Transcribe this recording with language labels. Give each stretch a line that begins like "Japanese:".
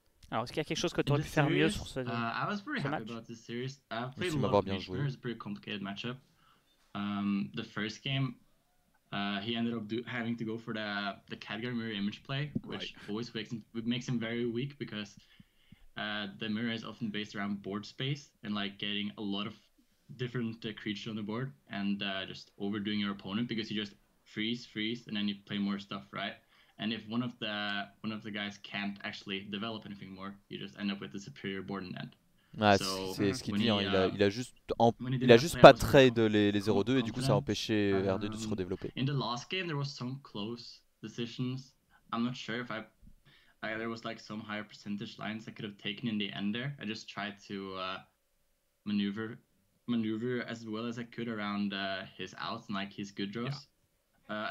French: Alors, est-ce qu'il y a quelque chose que tu aurais pu faire mieux sur ce
English: I was pretty happy about this series. I've played a lot of games. It was a pretty complicated matchup. The first game, he ended up having to go for the category mirror image play, which always makes him very weak because the mirror is often based around board space and like getting a lot of different creatures on the board and just overdoing your opponent because you just freeze, and then you play more stuff, right? And if one of the guys can't actually develop anything more, you just end up with a superior board in the end.
French: Ah, so, c'est ce qu'il dit. Hein. Il a juste pas trade les 0-2 et du coup ça a empêché R2 de se redévelopper.
English: In the last game, there was some close decisions. I'm not sure if I there was like some higher percentage lines I could have taken in the end there. I just tried to maneuver as well as I could around his outs and like his good draws. Yeah.